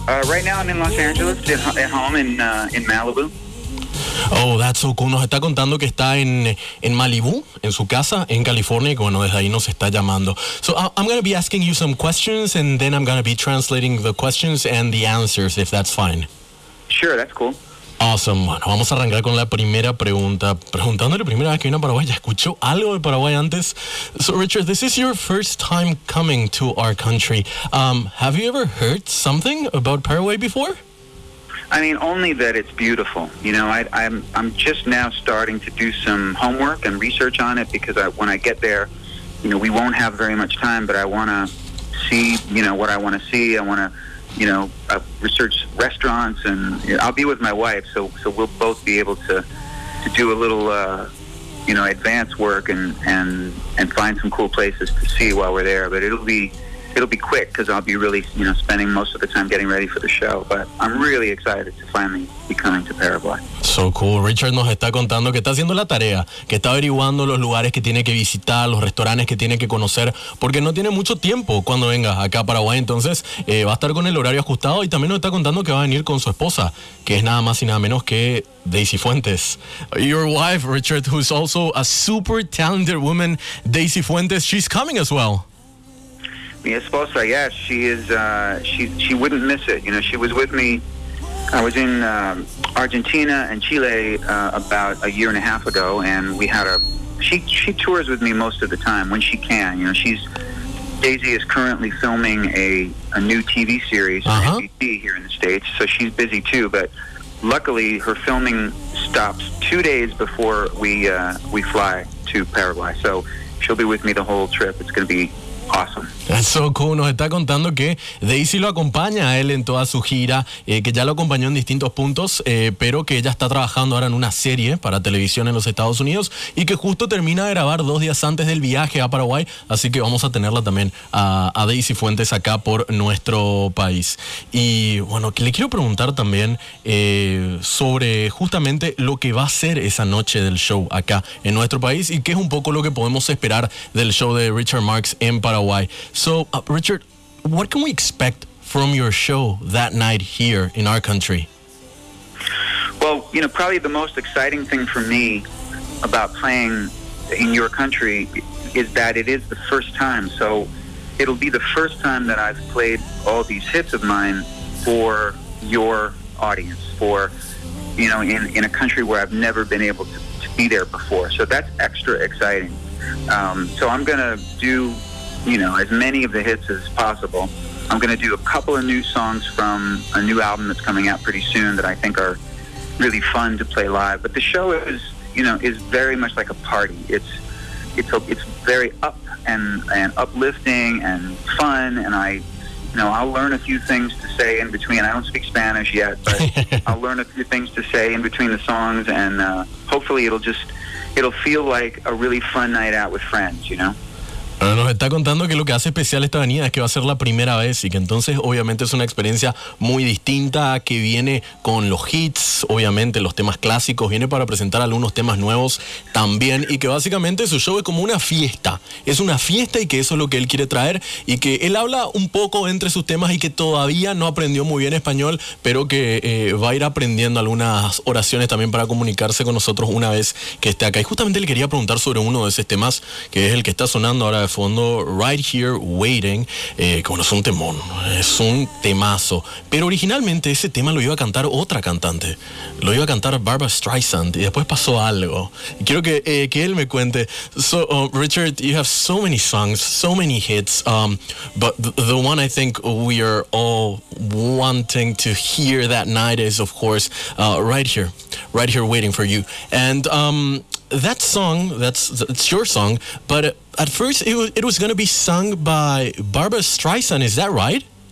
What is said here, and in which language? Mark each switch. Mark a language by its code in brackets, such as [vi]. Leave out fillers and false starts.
[en] Right now I'm in Los Angeles, at home in Malibu. Oh, that's so cool. [es] Nos está contando que está en Malibu, en su casa, en California, y bueno, desde ahí nos está llamando. [en] So I'm going to be asking you some questions, and then I'm going to be translating the questions and the answers, if that's fine. Sure, that's cool. Awesome. [es] Bueno, vamos a arrancar con la primera pregunta. Preguntándole primera vez que vino a Paraguay, ¿ya escuchó algo de Paraguay antes? [en] So Richard, this is your first time coming to our country. Have you ever heard something about Paraguay before? I mean, only that it's beautiful. You know, I'm just now starting to do some homework and research on it because when I get there, you know, we won't have very much time, but I want to see, you know, what I want to see. I want to, you know, research restaurants, and you know, I'll be with my wife, so we'll both be able to do a little, you know, advanced work and find some cool places to see while we're there. But it'll be quick because I'll be really, you know, spending most of the time getting ready for the show. But I'm really excited to finally be coming to Paraguay. So cool. [es] Richard nos está contando que está haciendo la tarea, que está averiguando los lugares que tiene que visitar, los restaurantes que tiene que conocer, porque no tiene mucho tiempo cuando venga acá a Paraguay. Entonces, va a estar con el horario ajustado y también nos está contando que va a venir con su esposa, que es nada más y nada menos que Daisy Fuentes. [en] Your wife, Richard, who's also a super talented woman, Daisy Fuentes, she's coming as well. [es] Mi esposa, [en] yes, she is. She wouldn't miss it. You know, she was with me. I was in Argentina and Chile about a year and a half ago, and we had a. She tours with me most of the time when she can. You know, Daisy is currently filming a new TV series on NBC here in the States, so she's busy too. But luckily, her filming stops 2 days before we fly to Paraguay, so she'll be with me the whole trip. It's going to be. Awesome. That's so cool. [es] Nos está contando que Daisy lo acompaña a él en toda su gira, que ya lo acompañó en distintos puntos, pero que ella está trabajando ahora en una serie para televisión en los Estados Unidos y que justo termina de grabar 2 días antes del viaje a Paraguay, así que vamos a tenerla también a Daisy Fuentes acá por nuestro país. Y bueno, le quiero preguntar también sobre justamente lo que va a ser esa noche del show acá en nuestro país y qué es un poco lo que podemos esperar del show de Richard Marx en Paraguay. [en] So, Richard, what can we expect from your show that night here in our country? Well, you know, probably the most exciting thing for me about playing in your country is that it is the first time. So, it'll be the first time that I've played all these hits of mine for your audience, for, you know, in a country where I've never been able to be there before. So, that's extra exciting. So, I'm going to do, you know, as many of the hits as possible. I'm going to do a couple of new songs from a new album that's coming out pretty soon that I think are really fun to play live. But the show is, you know, is very much like a party. It's very up and uplifting and fun. And I, you know, I'll learn a few things to say in between. I don't speak Spanish yet, but I'll learn a few things to say in between the songs. And hopefully it'll feel like a really fun night out with friends, you know? [es] Nos está contando que lo que hace especial esta avenida es que va a ser la primera vez y que entonces obviamente es una experiencia muy distinta, que viene con los hits, obviamente los temas clásicos, viene para presentar algunos temas nuevos también y que básicamente su show es como una fiesta. Es una fiesta y que eso es lo que él quiere traer y que él habla un poco entre sus temas y que todavía no aprendió muy bien español, pero que va a ir aprendiendo algunas oraciones también para comunicarse con nosotros una vez que esté acá. Y justamente le quería preguntar sobre uno de esos temas que es el que está sonando ahora de fondo, Right Here Waiting, que bueno, es un temón, es un temazo, pero originalmente ese tema lo iba a cantar otra cantante, lo iba a cantar Barbara Streisand y después pasó algo, y quiero que él me cuente. [en] So Richard, you have so many songs, so many hits, but the one I think we are all wanting to hear that night is of course Right Here Waiting for You, and that song, that's your song, but at first it was going to be sung by Barbara Streisand, is that right?